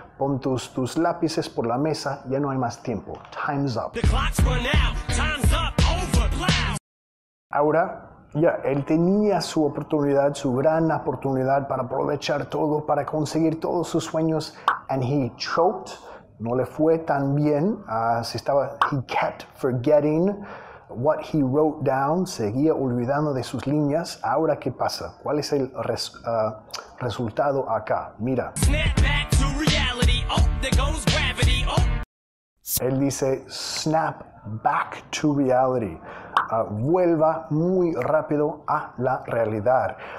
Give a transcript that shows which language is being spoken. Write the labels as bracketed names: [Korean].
[Spanish] Pon tus lápices por la mesa, ya no hay más tiempo. [English] Time's up. The clocks run out. Time's up. Over. [Spanish] Ahora, ya, él tenía su oportunidad, su gran oportunidad para aprovechar todo, para conseguir todos sus sueños. [English] And he choked. [Spanish] No le fue tan bien. Se estaba, [English] he kept forgetting what he wrote down. [Spanish] Seguía olvidando de sus líneas. Ahora, ¿qué pasa? ¿Cuál es el resultado acá? Mira. [English] Snap back. There goes gravity. Oh. [Spanish] Él dice, [English] snap back to reality. [Spanish] Vuelva muy rápido a la realidad.